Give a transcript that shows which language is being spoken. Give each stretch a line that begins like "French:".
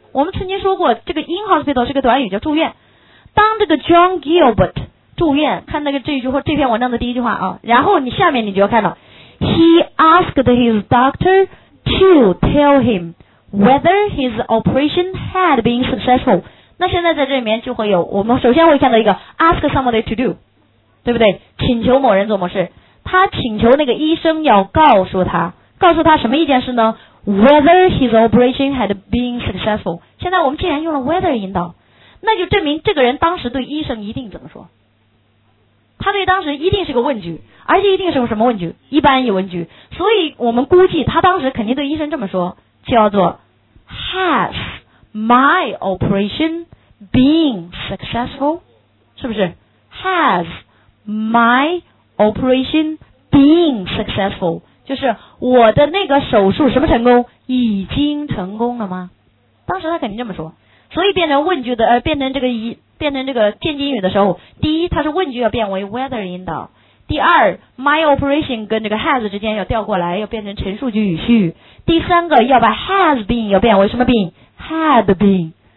Chinese: 我们曾经说过这个 in hospital 是个短语叫住院。当这个 John Gilbert 住院，看那个这一句或这篇文章的第一句话啊，然后你下面你就要看到
English: he asked his doctor to tell him whether his operation had been successful。
Chinese: 那现在在这里面就会有，我们首先会看到一个
English: ask somebody to do，
Chinese: 对不对？请求某人做某事，他请求那个医生要告诉他，告诉他什么一件事呢？
English: Whether his operation had been successful。
Chinese: 现在我们既然用了 whether 引导，那就证明这个人当时对医生一定怎么说，他对当时一定是个问句，而且一定是个什么问句？一般疑问句。所以我们估计他当时肯定对医生这么说，叫做
English: Has my operation been successful？
Chinese: 是不是
English: Has my operation been successful？
Chinese: 就是我的那个手术什么成功，已经成功了吗？当时他肯定这么说，所以变成问句的变成这个间接语的时候，第一它是问句要变为 whether 引导，第二 my operation 跟这个 has 之间要调过来，要变成陈述句语序，第三个要把 has been 要变为什么 been， had been，